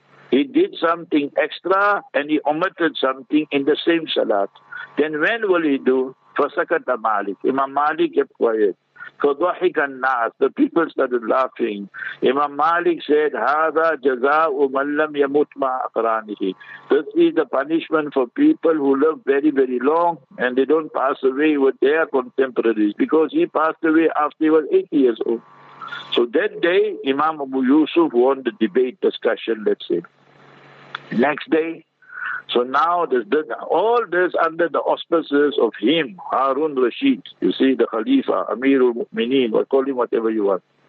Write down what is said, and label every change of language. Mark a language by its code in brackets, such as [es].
[en] He did something extra and he omitted something in the same salat. Then when will he do? [ar] Fasakata [en] Malik. Imam Malik kept quiet. [ar] فَضَحِكَ النَّاسِ. [en] The people started laughing. Imam Malik said, [ar] هَذَا جَزَاءُ مَنْ لَمْ يَمُتْ مَا أَقْرَانِهِ. [en] This is the punishment for people who live very, very long and they don't pass away with their contemporaries, because he passed away after he was 80 years old. So that day, Imam Abu Yusuf won the debate discussion, let's say. Next day, so now all this under the auspices of him, Harun Rashid, you see, the Khalifa, Amirul Mu'mineen, or call him whatever you want.